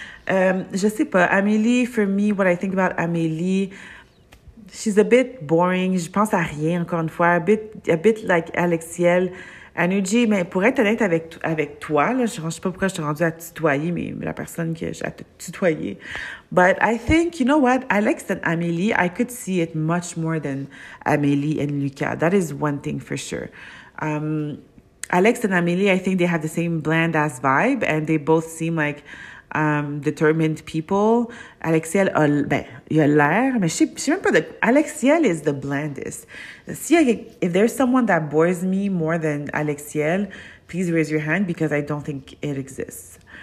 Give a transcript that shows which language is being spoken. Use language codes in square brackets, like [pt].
[fr] Je sais pas, [en] Amélie, for me, what I think about Amélie, she's a bit boring, [fr] je pense à rien, encore une fois, [en] a bit like Alexiel. [fr] Anuji, mais pour être honnête avec toi, là, je ne sais pas pourquoi je t'ai rendue à tutoyer, mais la personne que j'ai à te tutoyer. [en] But I think, you know what, Alex and Amélie, I could see it much more than Amélie and Lucas. That is one thing for sure. Alex and Amélie, I think they have the same bland-ass vibe, and they both seem like determined people. [fr] Alexiel, il a l'air, mais je sais même pas de... [en] Alexiel is the blandest. If there's someone that bores me more than Alexiel, please raise your hand, because I don't think it exists.